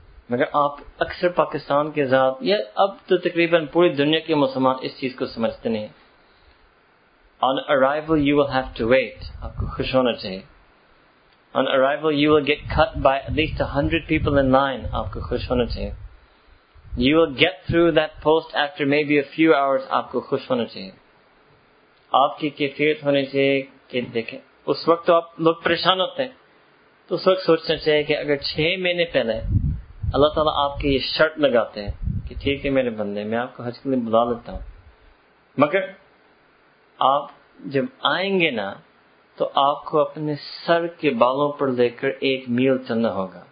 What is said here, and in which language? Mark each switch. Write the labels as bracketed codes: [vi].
[ur] مگر آپ اکثر پاکستان کے ذات یا اب تو تقریباً پوری دنیا کے مسلمان اس چیز کو سمجھتے نہیں ہیں. [en] On arrival you will have to wait. [ur] آپ کو خوش ہونا چاہیے. [en] On arrival you will get cut by at least 100 people in line. [ur] آپ کو خوش ہونا چاہیے. [en] You will get through that post after maybe a few hours. [ur] آپ کو خوش ہونا چاہیے. آپ کی کیفیت ہونی چاہیے کہ دیکھیں اس وقت تو آپ لوگ پریشان ہوتے ہیں, تو اس وقت سوچنا چاہیے کہ اگر 6 مہینے پہلے اللہ تعالیٰ آپ کی یہ شرط لگاتے ہیں کہ ٹھیک ہے میرے بندے, میں آپ کو حج کے لیے بلا لیتا ہوں, مگر آپ جب آئیں گے نا تو آپ کو اپنے سر کے بالوں پر لے کر ایک میل چلنا ہوگا.